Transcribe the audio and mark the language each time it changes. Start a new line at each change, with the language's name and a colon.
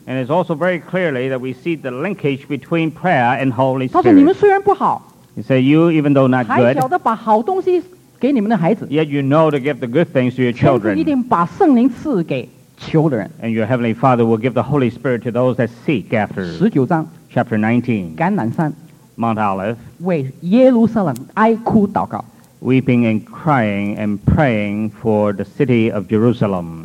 English: And it's also very clearly that we see the linkage between prayer and Holy Spirit.
Chinese: 他说你们虽然不好,
English: he said, you even though not good,
Chinese: 还晓得把好东西给你们的孩子,
English: yet you know to give the good things to your children.
Chinese: 一定把圣灵赐给求的人。
English: And your Heavenly Father will give the Holy Spirit to those that seek after.
Chinese: 十九章,
English: Chapter 19,
Chinese: 橄榄山,
English: Mount Olive,
Chinese: 为耶路撒冷哀哭祷告,
English: weeping and crying and praying for the city of Jerusalem.